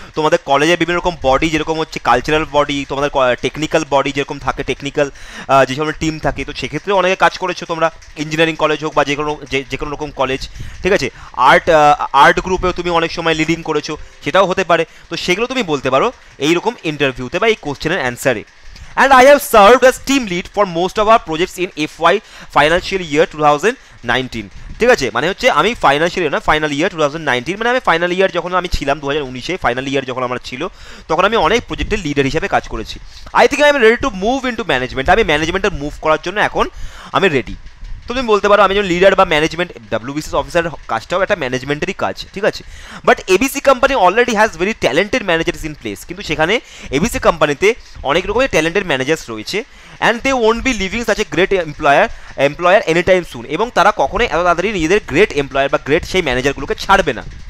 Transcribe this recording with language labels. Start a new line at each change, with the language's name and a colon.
Bangla: তোমাদের কলেজে বিভিন্ন রকম বডি, যেরকম হচ্ছে কালচারাল বডি, তোমাদের টেকনিক্যাল বডি যেরকম থাকে, টেকনিক্যাল যে সব টিম থাকে, তো সেক্ষেত্রে অনেকে কাজ করেছো তোমরা, ইঞ্জিনিয়ারিং কলেজ হোক বা যে কোনো যে কোনো রকম কলেজ, ঠিক আছে। আর্ট গ্রুপেও তুমি অনেক সময় লিডিং করেছো, সেটাও হতে পারে। তো সেগুলো তুমি বলতে পারো এই রকম ইন্টারভিউতে বা এই কোশ্চেনের অ্যান্সারে।
English: And I have served as team lead for most of our projects in FY financial year 2019.
Bangla: ঠিক আছে, মানে হচ্ছে আমি ফাইনাল ইয়ার না ফাইনাল ইয়ার 2019, মানে আমি ফাইনাল ইয়ার যখন আমি ছিলাম 2019 ফাইনাল ইয়ার যখন আমার ছিল, তখন আমি অনেক প্রজেক্টের লিডার হিসাবে কাজ করেছি।
English: I think I am ready to move into management,
Bangla: আমি ম্যানেজমেন্টের মুভ করার জন্য এখন আমি রেডি। তো তুমি বলতে পারো আমি যখন লিডার বা ম্যানেজমেন্ট, WBCS অফিসার কাজটাও একটা ম্যানেজমেন্টেরই কাজ, ঠিক আছে,
English: but ABC company already has very talented managers in place,
Bangla: কিন্তু সেখানে ABC কোম্পানিতে অনেক রকমের ট্যালেন্টেড ম্যানেজার্স রয়েছে,
English: and they won't be leaving such a great employer any time soon,
Bangla: এবং তারা কখনোই এত তাড়াতাড়ি নিজেদের গ্রেট এমপ্লয়ার বা গ্রেট সেই ম্যানেজারগুলোকে ছাড়বে না।